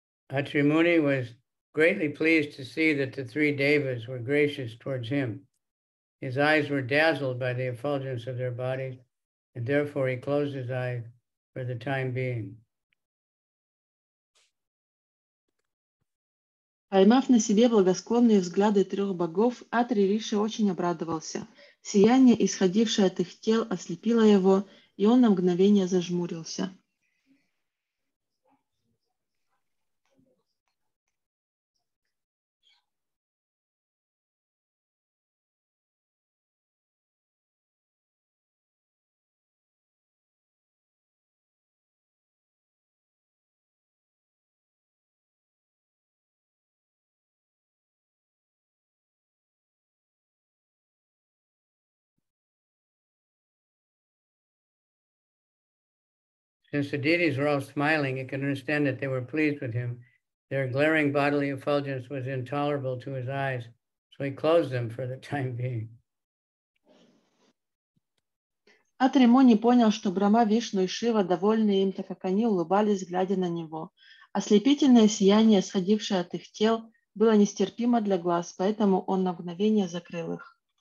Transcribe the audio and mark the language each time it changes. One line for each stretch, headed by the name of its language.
English: Atri Muni was greatly pleased to see that the three devas were gracious towards him. His eyes were dazzled by the effulgence of their bodies, and therefore he closed his eyes for the time being.
Russian: Поймав на себе благосклонные взгляды трех богов, Атри Риши очень обрадовался. Сияние, исходившее от их тел, ослепило его, и он на мгновение зажмурился.
English: Since the deities were all smiling, you can understand that they were pleased with him. Their glaring bodily effulgence was intolerable to his eyes, so he closed them for the time being.
Russian: Атримуни понял, что Брама, Вишну и Шива довольны им, так как они улыбались, глядя на него. Ослепительное сияние, сходившее от их тел, было нестерпимо для глаз, поэтому он на мгновение закрыл их.